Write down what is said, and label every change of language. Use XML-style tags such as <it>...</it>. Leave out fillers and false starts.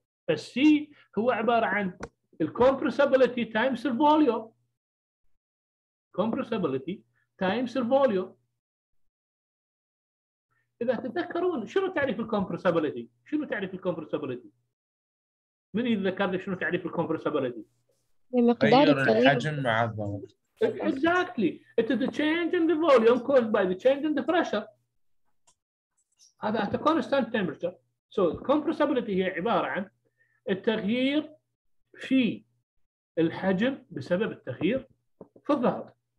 <ar>السي هو عباره عن الكومبرسابيلتي تايمز الفوليوم. كومبرسابيلتي تايمز الفوليوم. اذا تتذكرون شنو تعريف الكومبرسابيلتي؟ شنو تعريف الكومبرسابيلتي؟ من يتذكر شنو تعريف الكومبرسابيلتي؟ مقدار الحجم مع الضغط.</ar> <en>Exactly. It is the change in the volume caused by the change in the pressure.</en> <ar>هذا</ar> <en>at a constant temperature.</en> <ar>So compressibility هي عبارة عن التغيير في الحجم بسبب التغيير في الضغط.</ar>